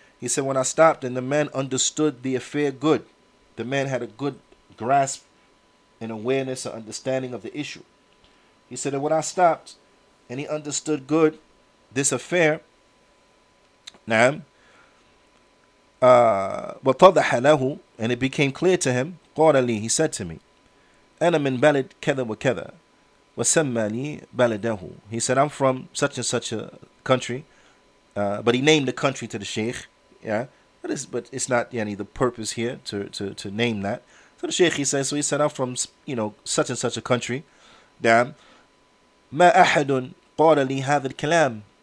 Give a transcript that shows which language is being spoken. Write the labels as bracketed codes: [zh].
[en] He said, when I stopped and the man understood the affair good. The man had a good grasp and awareness and understanding of the issue. He said, and when I stopped and he understood good this affair, نعم. [ar] وتضح له, [en] and it became clear to him. [ar] قال لي, [en] he said to me, [ar] أنا من بلد كذا وكذا, وسمى لي بلده. [en] He said, I'm from such and such a country, but he named the country to the sheikh. Yeah, but it's not any the purpose here to name that. So the sheikh, he said, I'm from, you know, such and such a country. [ar] نعم. ما أحد قال لي هذا الكلام.